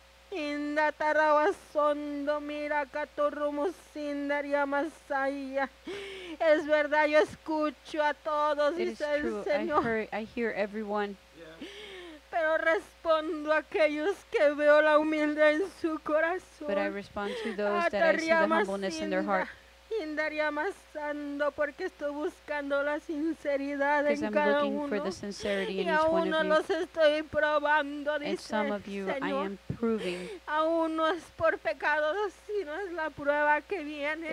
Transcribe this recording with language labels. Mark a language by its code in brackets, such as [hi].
[es] Inda tarabasondo mira caturumusinda riamasaya. Es verdad, yo escucho a todos, dice el Señor. [en] It is true, I hear everyone. [es] Pero respondo a aquellos que veo la humildad en su corazón. [en] But I respond to those that I see the humbleness in their heart. Inda riamasando [es] porque estoy buscando la sinceridad en cada uno. [en] Because I'm looking for the sincerity in each one of you. [es] Y a uno los estoy probando, dice el Señor. [en] And some of you I am proving. [es] Aún no es por pecado, sino es la prueba que viene.